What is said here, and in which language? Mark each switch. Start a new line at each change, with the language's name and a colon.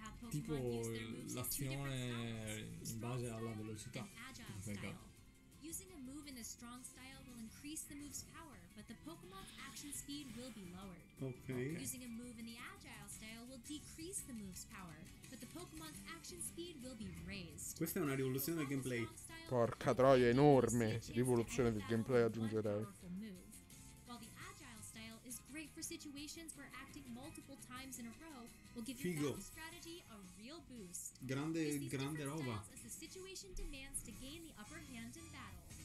Italian: Tipo l'azione in base alla velocità. Peccato.
English: Using a move in a strong style will increase the move's power, but the Pokemon's action speed will be lowered. Okay. Using a move in the agile style will decrease the move's power, but the Pokemon's action speed will be raised.
Italian: Questa è una rivoluzione del gameplay. Porca troia, enorme rivoluzione del gameplay, aggiungerei.
English: While the agile style is great for situations where acting multiple times in a row will give
Italian: Figo.
English: Your strategy a real boost.
Italian: Grande, grande roba.
English: Situation demands to gain the upper hand in battle.